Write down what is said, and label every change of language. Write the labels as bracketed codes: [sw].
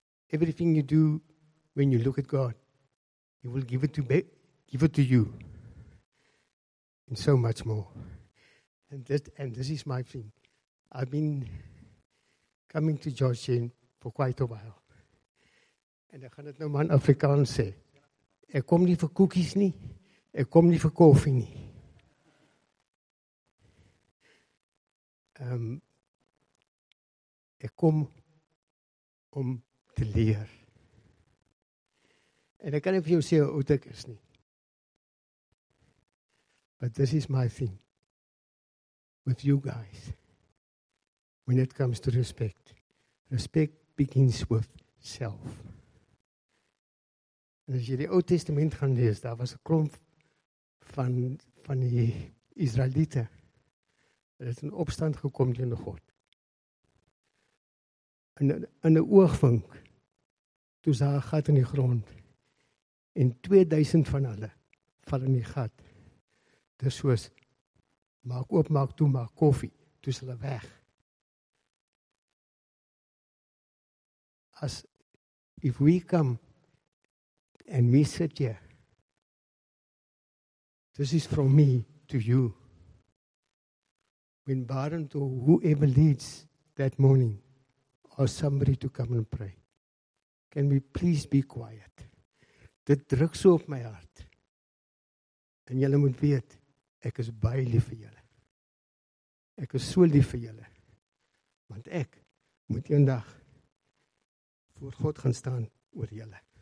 [en] Everything you do, when you look at God, he will give it to you. And so much more. And this is my thing. I've been coming to George Jane for quite a while. And I [af] gaan dit nou man Afrikaans sê. Ek kom nie vir koekies nie. Ek kom nie vir koffie nie. Ek kom om te leer. En ek kan nie vir jou sê hoe dik is nie. [en] But this is my thing with you guys when it comes to respect. Respect begins with self. [af] En as jy die Ou Testament gaan lees, daar was 'n klomp van die Israeliete. Hulle het in opstand gekom teen God. In 'n oogwink toe is daar een gat in die grond. En 2000 van hulle val in die gat. Dis soos, maak op, maak toe, maak koffie. Toe is hulle weg. [en] As, if we come and we sit here, this is from me to you. When Baron to whoever leads that morning, or somebody to come and pray, can we please be quiet? [af] Dit druk so op my hart. En julle moet weet, ek is baie lief vir julle. Ek is so lief vir julle. Want ek moet eendag voor God gaan staan oor julle.